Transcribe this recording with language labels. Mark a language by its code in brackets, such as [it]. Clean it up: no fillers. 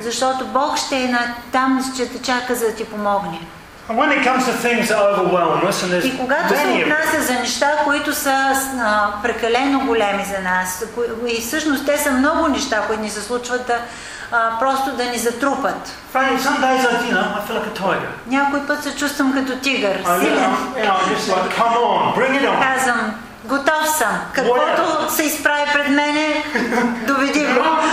[bg] Защото Бог ще е там, ще те чака, за да ти помогне. [en] And when it comes to things that overwhelm us, and there's [bg] И когато се отнася за неща, които са прекалено големи за нас, и всъщност те са много неща, които ни се случват да просто да ни затрупат. [en] Some days I feel like a tiger. [bg] Някой път се чувствам като тигър. Силен. [en] Come on, bring it on. [bg] Казвам, готов съм. Каквото се изправи пред мене, доведи го.